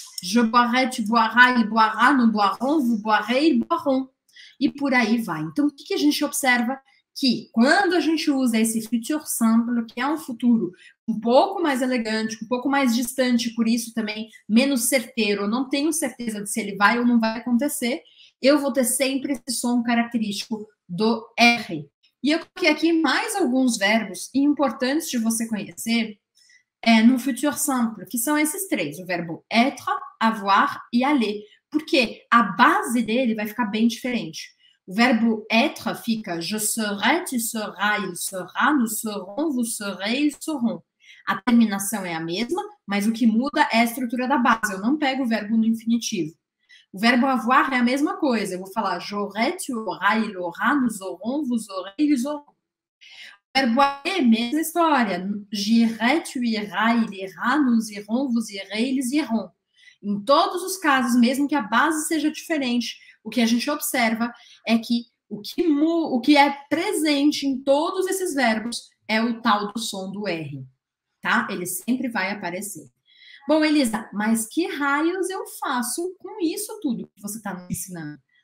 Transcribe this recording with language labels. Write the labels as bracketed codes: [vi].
[fr] Je boirai, tu boiras, il boira, nous boirons, vous boirez, ils boiront. [pt] E por aí vai. Então, o que a gente observa? Que quando a gente usa esse futur simple, que é um futuro um pouco mais elegante, um pouco mais distante, por isso também menos certeiro, eu não tenho certeza de se ele vai ou não vai acontecer, eu vou ter sempre esse som característico do R. E eu coloquei aqui mais alguns verbos importantes de você conhecer no futur simple, que são esses três, o verbo être, avoir e aller. Porque a base dele vai ficar bem diferente. O verbo être fica [fr] je serai, tu seras, il sera, nous serons, vous serez, ils seront. [pt] A terminação é a mesma, mas o que muda é a estrutura da base. Eu não pego o verbo no infinitivo. O verbo avoir é a mesma coisa. Eu vou falar [fr] j'aurai, tu auras, il aura, nous aurons, vous aurez, ils auront. [pt] O verbo aller, mesma história. [fr] J'irai, tu iras, il ira, nous irons, vous irez, ils iront. [pt] Em todos os casos, mesmo que a base seja diferente, o que a gente observa é que o que é presente em todos esses verbos é o tal do som do R, tá? Ele sempre vai aparecer. Bom, Elisa, mas que raios eu faço com isso tudo que você está me ensinando?